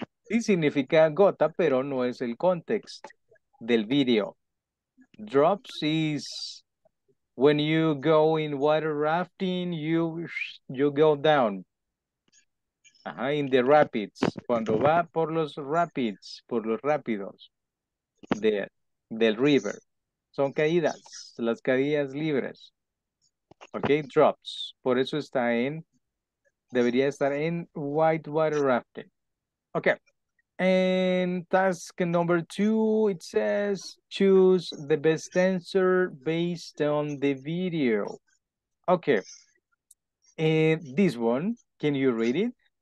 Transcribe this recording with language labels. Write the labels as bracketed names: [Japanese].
[Spanish] Sí significa gota, pero no es el context del video. [English] Drops is when you go in water rafting, you go down. Ajá, in the rapids. [Spanish] Cuando va por los rapids, por los rápidos del river. Son caídas, las caídas libres. Okay, drops. Por eso está en, debería estar en white water rafting. [English] Okay, and task number two, it says choose the best answer based on the video. Okay, and this one, can you read it?